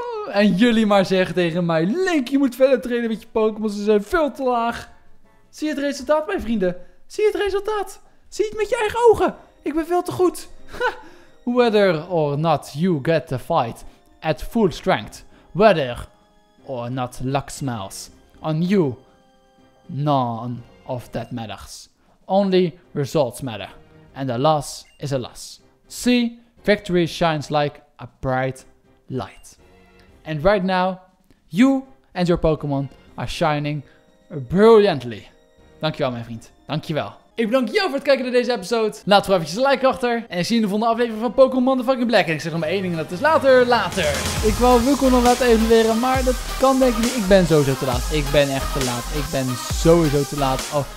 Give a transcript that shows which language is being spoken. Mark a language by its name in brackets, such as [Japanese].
[Dutch] En jullie maar zeggen tegen mij. Link, je moet verder trainen met je Pokémon. Ze zijn veel te laag. Zie je het resultaat, mijn vrienden? Zie je het resultaat? Zie je het met je eigen ogen? Ik ben veel te goed. [English] Whether or not you get the fight at full strength. Whether or not luck smiles on you. None of that matters. Only results matter. And a loss is a loss. See, victory shines like a bright light. And right now, you and your Pokémon are shining brilliantly. [Dutch] Dankjewel, mijn vriend. Dankjewel. Ik bedank jou voor het kijken naar deze episode. Laat voor eventjes een like achter. En ik zie je in de volgende aflevering van Pokémon The Fucking Black. En ik zeg nog maar 1 ding en dat is later. Ik wou Wukong nog laten evalueren, maar dat kan denk ik niet. Ik ben sowieso te laat. Ik ben echt te laat. Ik ben sowieso te laat. Oh.